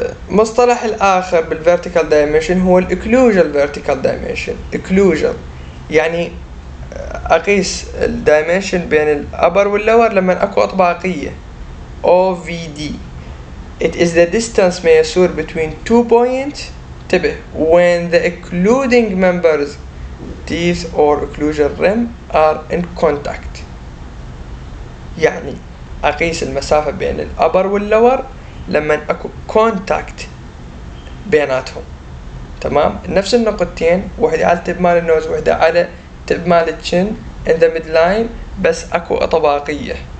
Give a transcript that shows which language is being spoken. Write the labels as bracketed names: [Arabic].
[Arabic] المصطلح الآخر بالvertical dimension هو الاكلوجال vertical dimension. اكلوجال يعني أقيس الدايمنشن بين الأبر واللور لما أكو أطباقية. [English] OVD it is the distance ما يسور between two points تبه when the occluding members teeth or occlusion rim are in contact. [Arabic] يعني أقيس المسافة بين الأبر واللور لما أكو contact بيناتهم. تمام، نفس النقطتين، واحدة على التب مال النوز واحدة على تب مال التشن [English] in the midline، [Arabic] بس أكو أطباقية.